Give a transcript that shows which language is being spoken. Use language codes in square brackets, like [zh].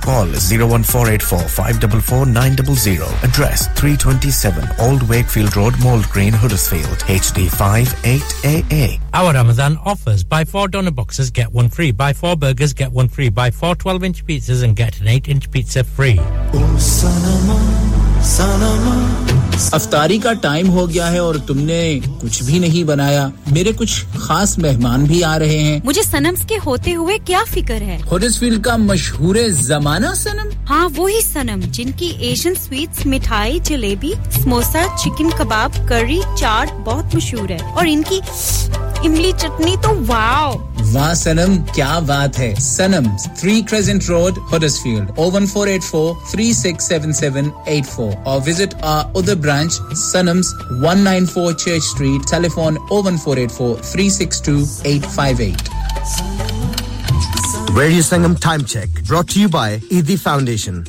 [en] Call 01484-544-900. Address 327 Old Wakefield Road, Mould Green, Huddersfield. HD58AA. Our Ramadan offers. Buy 4 doner boxes, get one free. Buy 4 burgers, get one free. Buy 4 12-inch pizzas and get an 8-inch pizza free. Oh, Sanama, Sanama. [ur] افطاری کا time ہو گیا ہے اور تم نے کچھ بھی نہیں بنایا میرے کچھ خاص مہمان بھی آ رہے ہیں مجھے سنمز کے ہوتے ہوئے کیا فکر ہے ہڈرسفیلڈ کا مشہور زمانہ سنم ہاں وہی سنم جن کی ایشین سویٹس مٹھائی جلیبی سموسا چکن کباب کری چاٹ بہت مشہور ہے اور ان کی املی چٹنی تو واو واہ سنم کیا بات ہے سنمز 3 کریسنٹ روڈ ہڈرسفیلڈ 01484-367784 اور visit [en] The branch, Sunnams, 194 Church Street, telephone 01484-362-858. Radio Sangam Time Check, brought to you by Eidi Foundation.